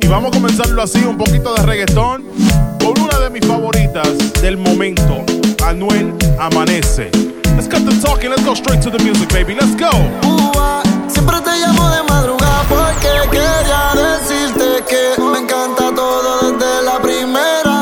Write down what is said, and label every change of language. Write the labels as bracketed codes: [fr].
[es] Y vamos a comenzarlo así, un poquito de reggaetón, con una de mis favoritas del momento, Anuel Amanece. [en] Let's cut the talking, let's go straight to the music, baby, let's go. [es] Uba, siempre te llamo de madrugada porque quería decirte que me encanta todo desde la primera.